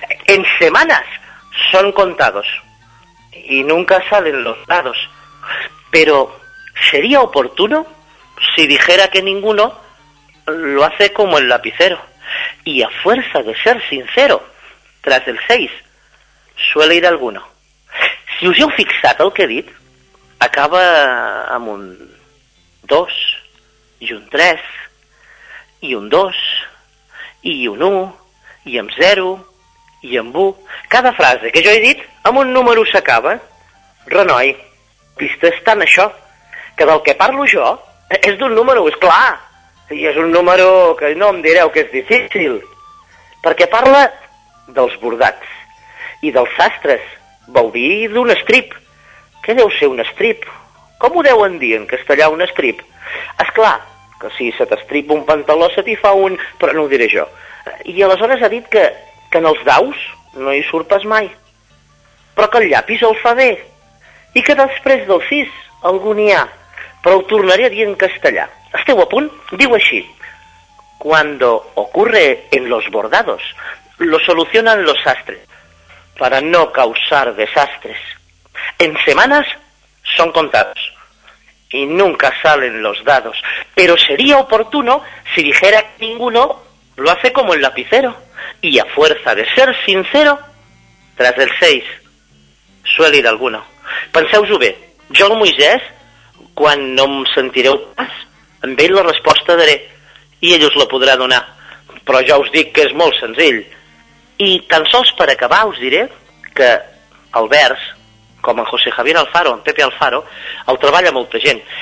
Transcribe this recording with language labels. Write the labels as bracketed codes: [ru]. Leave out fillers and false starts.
[es] En semanas son contados y nunca salen los dados. Pero sería oportuno si dijera que ninguno lo hace como el lapicero. Y a fuerza de ser sincero, tras el 6 suele ir alguno. [ca] Si us heu fixat el que he dit, acaba amb un 2 i un 3 i un 2 i un 1 i amb 0 i amb 1. Cada frase que jo he dit amb un número s'acaba. Renoi, pista és tant això que del que parlo jo és d'un número, és clar. I és un número que no em direu que és difícil, perquè parla dels bordats i dels sastres. Vol dir d'un estrip. Què deu ser un estrip? Com ho deuen dir en castellà un estrip? És clar que si se t'estripa un pantaló se t'hi fa un, però no ho diré jo. I aleshores ha dit que en els daus no hi surt pas mai, però que el llapis el fa bé i que després del 6 algun hi ha, però ho tornaré a dir en castellà. Esteu a punt? Diu així. [es] Cuando ocurre en los bordados, lo solucionan los sastres para no causar desastres. En semanas son contados y nunca salen los dados. Pero sería oportuno si dijera que ninguno lo hace como el lapicero. Y a fuerza de ser sincero, tras el 6 suele ir alguno. [ca] Penseu-ho bé. Jo, el Moisès, quan no em sentireu pas, amb ell la resposta daré, i ell us la podrà donar. Però ja us dic que és molt senzill. I tan sols per acabar us diré que el vers, com en José Javier Alfaro, en Pepe Alfaro, el treballa molta gent.